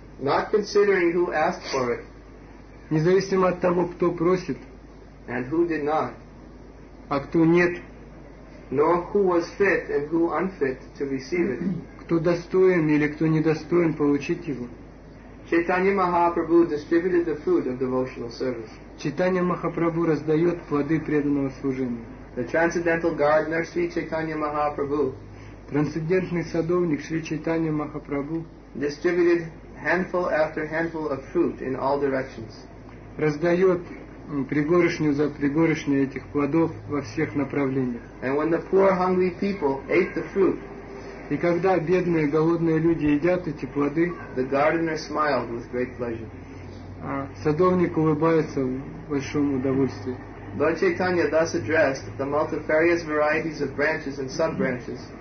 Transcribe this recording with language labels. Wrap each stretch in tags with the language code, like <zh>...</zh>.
<en>Not considering who asked for it,</en> <ru>независимо от того, кто просит,</ru> <en>and who did not,</en> <ru>а кто нет,</ru> <en>nor who was fit and who unfit to receive it,</en> <ru>кто достоин или кто недостоин получить его.</ru> <en>Chaitanya Mahaprabhu distributed the fruit of devotional service.</en> <ru>Chaitanya Mahaprabhu раздает плоды преданного служения.</ru> <en>The transcendental gardener, Sri Chaitanya Mahaprabhu,</en> <ru>трансцендентный садовник Шри Чайтанья Махапрабху,</ru> <en>distributed handful after handful of fruit in all directions.</en> <ru>Раздает пригоршню за пригоршней этих плодов во всех направлениях.</ru> <en>And when the poor hungry people ate the fruit,</en> <ru>и когда бедные голодные люди едят эти плоды,</ru> <en>the gardener smiled with great pleasure.</en> <ru>Садовник улыбается в большом удовольствии.</ru> <en>Lord Chaitanya thus addressed the multifarious varieties of branches and sub-branches.</en>